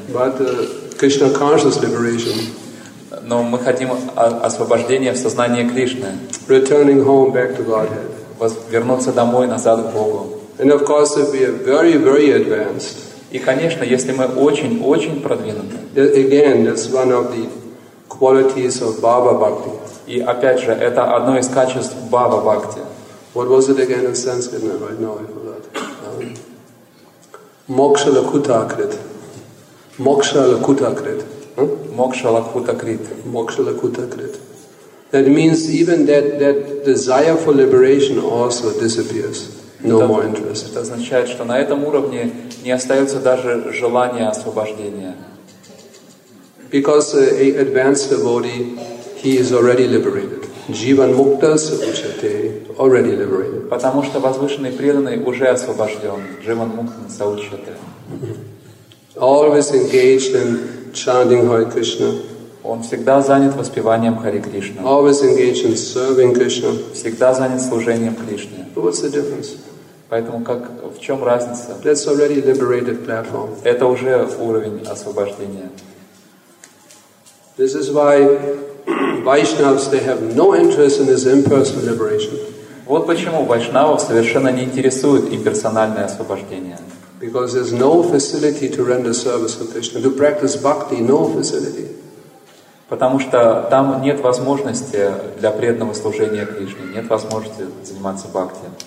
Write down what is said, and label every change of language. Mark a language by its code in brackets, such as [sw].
[en] But Krishna conscious liberation. [ru] Но мы хотим освобождения в сознании Кришны. [en] Returning home back to Godhead. [ru] Вернуться домой назад к Богу. [en] And of course, if we are very, very advanced. [ru] И, конечно, если мы очень-очень продвинуты. [en] Again, that's one of the qualities of Baba Bhakti. [ru] И опять же, это одно из качеств Баба Бхакти. [en] What was it again in Sanskrit? No, right now I forgot. [sa] Moksha lakuta krit. Moksha lakuta krit. Moksha lakuta krit. Moksha lakuta krit. [en] That means even that desire for liberation also disappears. No more interest. [ru] Это означает, что на этом уровне не остается даже желания освобождения. [en] Because an advanced devotee, he is already liberated. [sa] Jivan mukta saushate, [en] already liberated. [ru] Потому что возвышенный преданный уже освобожден. [sa] Jivan mukta saushate. [en] Always engaged in chanting Hare Krishna. [ru] Он всегда занят воспеванием Хари Кришны. [en] Always engaged in serving Krishna. [ru] Всегда занят служением Кришне. [en] What's the difference? [ru] Поэтому как в чем разница? [en] That's already liberated platform. [ru] Это уже уровень освобождения. [en] This is why Vaishnavas they have no interest in this impersonal liberation. [ru] Вот почему Вайшнавов совершенно не интересует имперсональное освобождение. [en] Because there's no facility to render service to Krishna, to practice bhakti, no facility. [ru] Потому что там нет возможности для преданного служения Кришне, нет возможности заниматься бхакти.